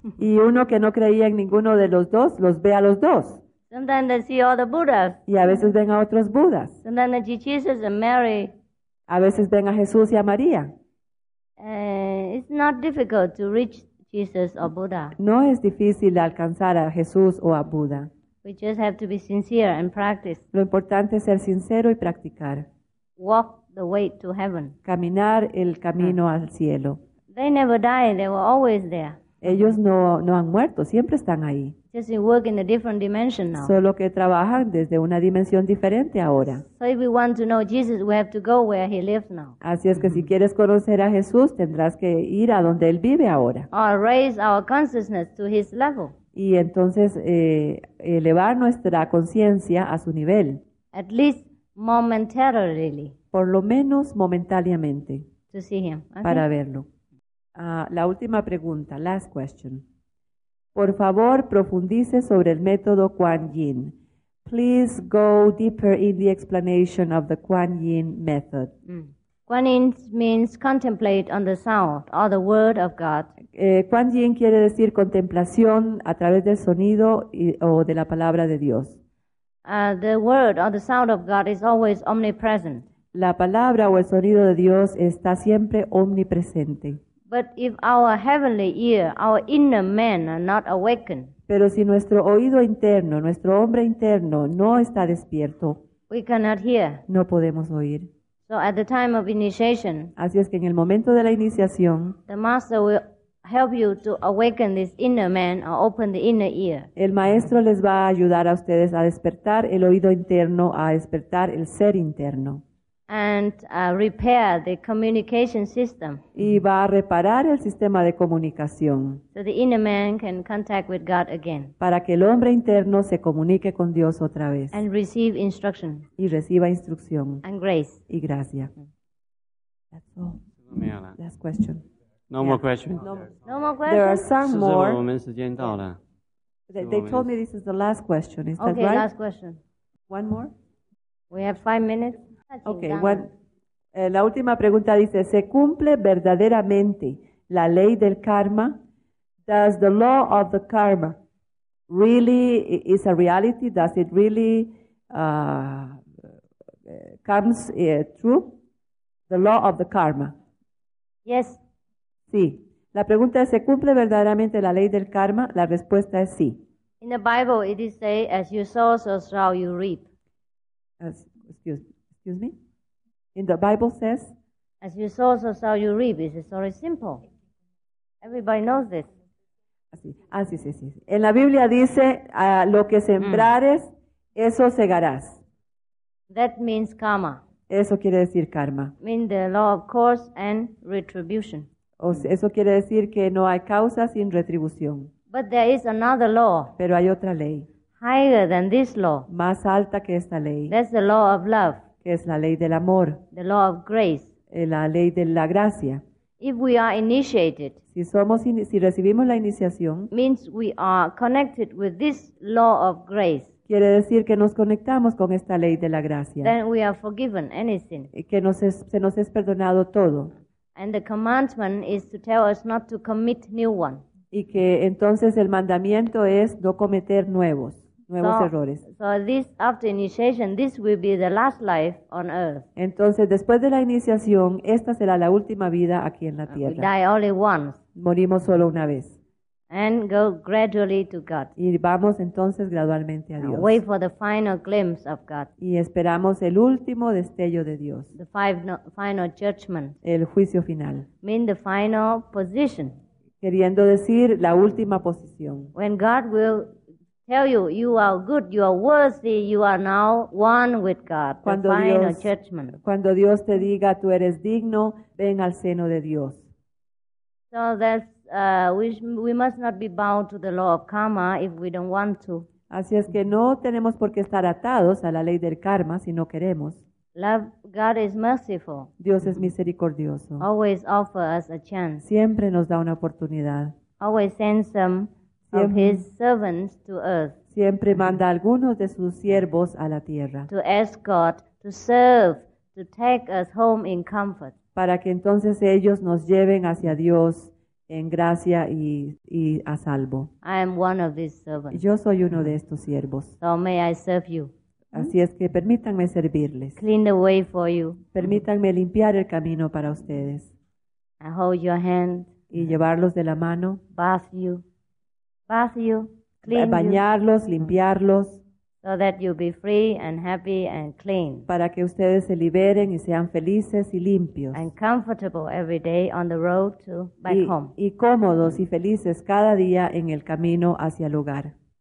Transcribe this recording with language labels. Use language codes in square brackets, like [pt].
[es] Y uno que no creía en ninguno de los dos los ve a los dos. [en] Sometimes they see all the Buddhas. [es] Y a veces ven a otros Budas. [en] Sometimes they see Jesus and Mary. [es] A veces ven a Jesús y a María. [en] It's not difficult to reach Jesus or Buddha. [es] No es difícil alcanzar a Jesús o a Buda. [en] We just have to be sincere and practice. [es] Lo importante es ser sincero y practicar. [en] Walk the way to heaven. [es] Caminar el camino al cielo. [en] They never die, they were always there. [es] Ellos no han muerto, siempre están ahí. [en] Just they work in a different dimension now. [es] Solo que trabajan desde una dimensión diferente ahora. [en] So if we want to know Jesus, we have to go where he lives now. [es] Así es que si quieres conocer a Jesús, tendrás que ir a donde él vive ahora. [en] Or raise our consciousness to his level. [es] Y entonces elevar nuestra conciencia a su nivel. [en] At least momentarily. [es] Por lo menos momentáneamente. [en] To see him. [es] Okay. Para verlo. La última pregunta, [en] last question. [es] Por favor, profundice sobre el método Kuan Yin. [en] Please go deeper in the explanation of the Kuan Yin method. Kuan Yin means contemplate on the sound or the word of God. [es] Kuan Yin quiere decir contemplación a través del sonido o de la palabra de Dios. [en] The word or the sound of God is always omnipresent. [es] La palabra o el sonido de Dios está siempre omnipresente. [en] But if our heavenly ear, our inner man, are not awakened, [es] pero si nuestro oído interno, nuestro hombre interno, no está despierto, [en] we cannot hear. [es] No podemos oír. [en] So at the time of initiation, [es] así es que en el momento de la iniciación, [en] the master will help you to awaken this inner man or open the inner ear. [es] El maestro les va a ayudar a ustedes a despertar el oído interno, a despertar el ser interno. [en] And repair the communication system. [es] Y va a reparar el sistema de comunicación. [en] So the inner man can contact with God again. [es] Para que el hombre interno se comunique con Dios otra vez. [en] And receive instruction. [es] Y reciba instrucción. [en] And grace. [es] Y gracia. [en] That's all. Last question. No more questions. No more questions. There are some more. [zh] 时间到了. [en] They told me this is the last question. Is that okay, right? Okay, last question. One more? We have 5 minutes. [es] Okay, la última pregunta dice, ¿se cumple verdaderamente la ley del karma? [en] Does the law of the karma really, is a reality? Does it really comes true? The law of the karma. Yes. [es] Sí. La pregunta es, ¿se cumple verdaderamente la ley del karma? La respuesta es sí. [en] In the Bible, it is say, as you sow, so shall you reap. Excuse me? In the Bible says? As you sow, so shall you reap. It's very simple. Everybody knows this. [es] Así. En la Biblia dice, lo que sembrares, eso segarás. [en] That means karma. [es] Eso quiere decir karma. [en] Means the law of cause and retribution. [es] O sea, eso quiere decir que no hay causa sin retribución. [en] But there is another law. [es] Pero hay otra ley. [en] Higher than this law. [es] Más alta que esta ley. [en] That's the law of love. [es] Que es la ley del amor. [en] The law of grace. [es] La ley de la gracia. [en] If we are initiated. [es] Si recibimos la iniciación. [en] Means we are connected with this law of grace. [es] Quiere decir que nos conectamos con esta ley de la gracia. [en] Then we are forgiven anything. [es] Que se nos es perdonado todo. [en] And the commandment is to tell us not to commit new one. [es] Y que entonces el mandamiento es no cometer nuevos errores. [en] So this after initiation, this will be the last life on earth. [es] Entonces después de la iniciación, esta será la última vida aquí en la tierra. [en] We die only once. [es] Morimos solo una vez. [en] And go gradually to God. [es] Y vamos entonces gradualmente a Dios. [en] And wait for the final glimpse of God. [es] Y esperamos el último destello de Dios. [en] The final judgment. [es] El juicio final. [en] Mean the final position. [es] Queriendo decir la última posición. [en] When God will tell you, you are good, you are worthy, you are now one with God. [es] Cuando [en] the final [es] Dios, [en] judgment. [es] Cuando Dios te diga, tú eres digno, ven al seno de Dios. [en] So that's we must not be bound to the law of karma if we don't want to. [es] Así es que no tenemos por qué estar atados a la ley del karma si no queremos. [en] Love, God is merciful. [es] Dios es misericordioso. [en] Always offer us a chance. [es] Siempre nos da una oportunidad. [en] Always send some of his servants to earth. [es] Siempre manda algunos de sus siervos a la tierra. [en] To ask God to serve, to take us home in comfort. [es] Para que entonces ellos nos lleven hacia Dios en gracia y a salvo. [en] I am one of these servants. [es] Yo soy uno de estos siervos. [en] So may I serve you. [es] Así es que permítanme servirles. [en] Clean the way for you. [es] Permítanme limpiar el camino para ustedes. [en] I hold your hand. [es] Y llevarlos de la mano. [en] Bath you. Clean [es] bañarlos, [en] you. [es] Limpiarlos. [en] So that you'll be free and happy and clean. [es] Para que ustedes se liberen y sean felices y limpios. [en] And comfortable every day on the road to back home. [es] Y cómodos y felices cada día en el camino hacia el hogar.